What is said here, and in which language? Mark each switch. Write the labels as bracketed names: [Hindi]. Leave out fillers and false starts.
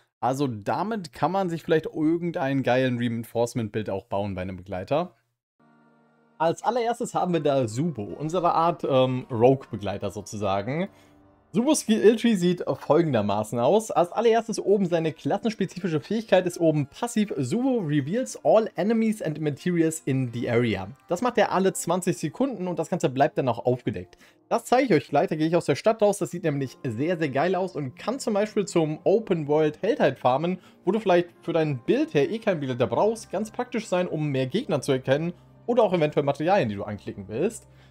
[German] Also damit kann man sich vielleicht irgendeinen geilen Reinforcement-Build auch bauen bei einem Begleiter. Als allererstes haben wir da Subo, unsere Art Rogue-Begleiter sozusagen. Subos Skilltree sieht folgendermaßen aus. Als allererstes oben seine klassenspezifische Fähigkeit ist oben passiv. [English] Subo reveals all enemies and materials in the area. [German] Das macht er alle 20 Sekunden und das Ganze bleibt dann auch aufgedeckt. Das zeige ich euch gleich, da gehe ich aus der Stadt raus. Das sieht nämlich sehr, sehr geil aus und kann zum Beispiel zum Open World Heldheit farmen, wo du vielleicht für dein Bild her eh keinen Bilder brauchst, ganz praktisch sein, um mehr Gegner zu erkennen oder auch eventuell Materialien, die du anklicken willst.